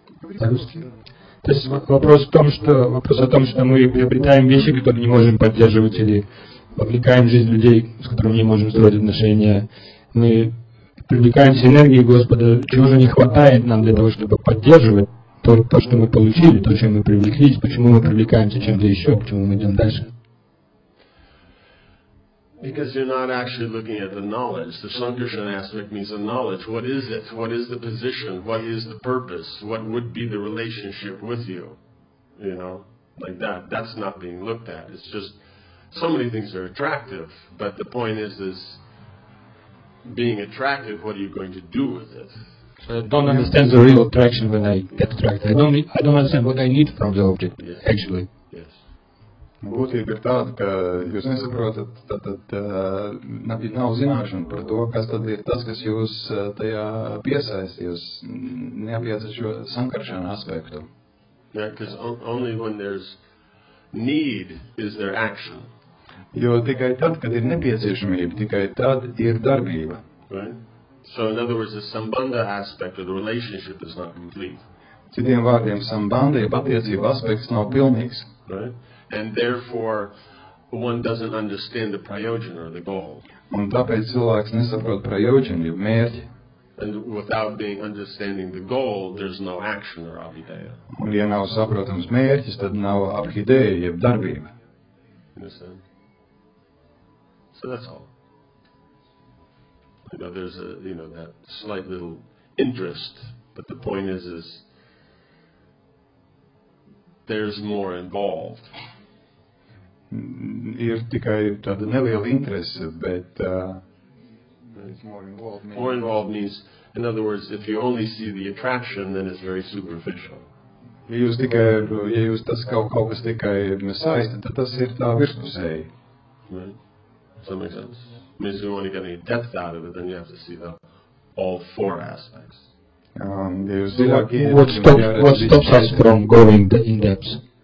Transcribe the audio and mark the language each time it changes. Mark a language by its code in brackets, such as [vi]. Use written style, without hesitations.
[ru] То есть вопрос о том, что мы приобретаем вещи, которые не можем поддерживать, или вовлекаем в жизнь людей, с которыми не можем строить отношения. Мы привлекаемся энергии Господа. Чего же не хватает нам для того, чтобы поддерживать? То, что мы получили, то, чем мы привлеклись, почему мы привлекаемся чем-то еще, почему мы идем дальше. [en] Because you're not actually looking at the knowledge. The Sankarshan aspect means the knowledge. What is it? What is the position? What is the purpose? What would be the relationship with you? You know, like that. That's not being looked at. It's just, so many things are attractive, but the point is being attractive, what are you going to do with it? So I don't understand the real attraction when I get attracted. I don't understand what I need from the object, actually. Yes. [lv] Būtība ir tāda, ka jūs nesaprotat, tad nav zināšana par to, kas tad ir tas, kas jūs tajā piesaist, jūs neapjēcat šo sankaršanu aspektu. [en] Yeah, because only when there's need is there action. [lv] Jo tikai tad, kad ir nepieciešamība, tikai tad ir darbība. [en] Right. So in other words, the sambandha aspect of the relationship is not complete. [lv] Citiem vārdiem, sambandha, jeb attiecība aspekts nav pilnīgs. [en] Right? And therefore, one doesn't understand the prayojana or the goal. [lv] Un tāpēc cilvēks nesaprot prayojana, jeb mērķi. [en] And without being understanding the goal, there's no action or abhideya. [lv] Un ja nav saprotams mērķis, tad nav abhideja, jeb darbība. [en] Understand? So that's all. You know, there's a, you know, that slight little interest, but the point is there's more involved. [lv] ir tikai tāda neliela interese, bet [en] more involved means, in other words, if you only see the attraction, then it's very superficial. [lv] Ja jūs tikai, ja jūs tas kaut kas tikai saisti, tad tas ir tā virspusēji. [en] Right. Some examples. Means you only get any depth out of it, then you have to see the all four aspects. [lv] Ja jūs dziļāk [en] what stops us from going the in-depth?